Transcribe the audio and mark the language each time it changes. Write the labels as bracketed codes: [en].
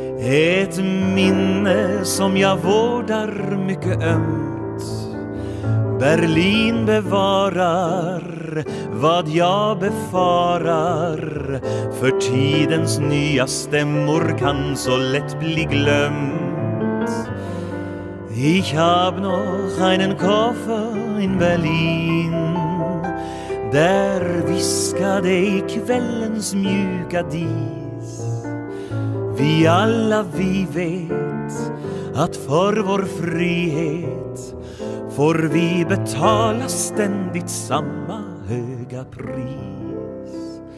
[sv] Ett minne som jag vårdar mycket ömt. Berlin bevarar vad jag befarar. För tidens nya stämmor kan så lätt bli glömt. [de] Ich hab noch einen Koffer in Berlin. [sv] Där viskade i kvällens mjuka din. Vi alla vi vet att för vår frihet får vi betala ständigt samma höga pris.